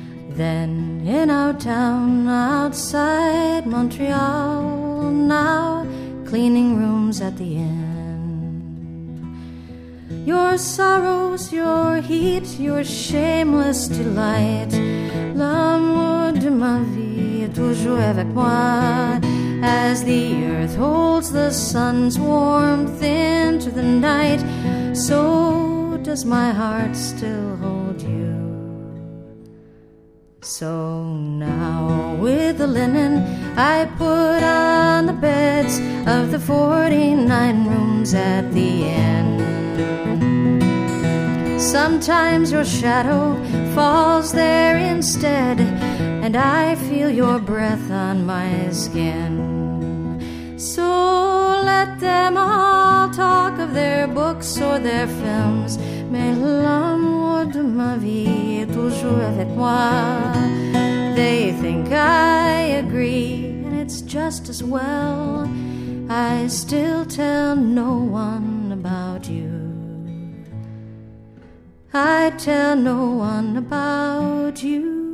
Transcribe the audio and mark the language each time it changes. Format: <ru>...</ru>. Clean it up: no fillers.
<en>Then in our town outside Montreal, now cleaning rooms at the inn. Your sorrows, your heat, your shameless delight.</en> <fr>L'amour de ma vie est toujours avec moi.</fr> <en>As the earth holds the sun's warmth into the night, so does my heart still hold you. So now with the linen I put on the beds of the 49 rooms at the inn. Sometimes your shadow falls there instead, and I feel your breath on my skin. So let them all talk of their books or their films.</en> <fr>Mais l'amour de ma vie est toujours avec moi.</fr> <en>They think I agree, and it's just as well. I still tell no one about you. I tell no one about you.</en>